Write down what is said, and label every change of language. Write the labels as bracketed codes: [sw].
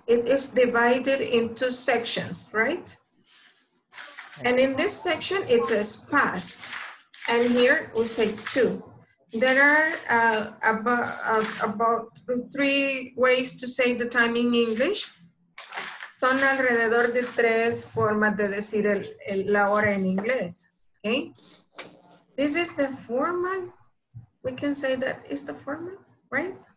[en] It is divided in two sections, right? And in this section, it says past. And here we say two. There are about 3 ways to say the time in English. [es] Son alrededor de 3 formas de decir la hora en inglés. [en] Okay? This is the formal. We can say that is the formal, right?